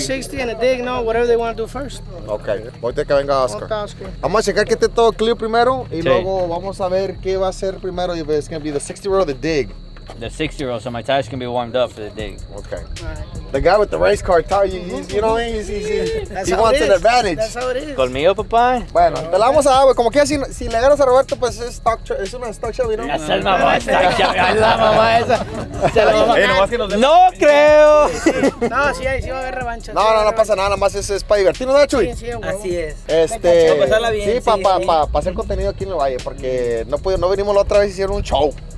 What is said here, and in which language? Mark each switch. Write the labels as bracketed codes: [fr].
[en] 60 and a dig, no, whatever they want to do first. [es] Ok, voy a tener que venga Oscar. Vamos a checar que esté todo clear primero y luego vamos a ver qué va a ser primero. [en] If it's going to be the 60 or the dig. The 60-year-old, so my tires can be warmed up for the day. Okay. The guy with the race car tire, you know, he wants an advantage. That's how it is. [es] Conmigo, papá. Bueno, te la vamos a dar, güey. Como que si le ganas a Roberto, pues es una stock Chevy, ¿no? Es el stock Chevy, es la mamá esa. Es la mamá esa. No creo. No, sí va a haber revancha. No, no pasa nada, nada más es para divertirnos, ¿no, Chuy? Sí, güey. Así es. Para pasarla bien. Sí, para hacer contenido aquí en el Valle, porque no vinimos la otra vez y hicieron un show.